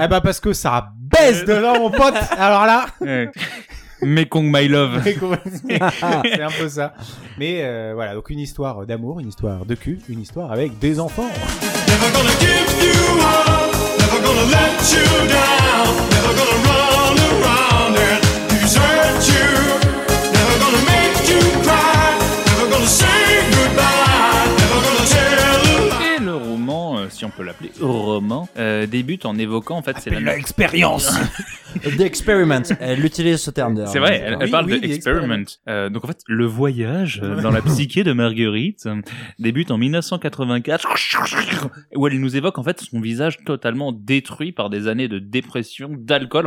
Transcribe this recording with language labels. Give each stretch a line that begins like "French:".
French: Eh ben, parce que ça baisse de là, mon pote. Alors là. Mekong my love. C'est un peu ça. Mais voilà, donc une histoire d'amour, une histoire de cul, une histoire avec des enfants.
English: Never gonna give you up, never gonna let you down, never gonna run around and desert you, never gonna make you cry, never gonna say goodbye, never gonna tell a lie.
French: Et le roman, si on peut l'appeler roman, débute en évoquant en fait l'expérience.
English: The experiment,
French: elle utilise ce terme. C'est vrai, elle parle de experiment. Donc en fait, le voyage dans la psyché de Marguerite débute en 1984, où elle nous évoque en fait son visage totalement détruit par des années de dépression, d'alcool.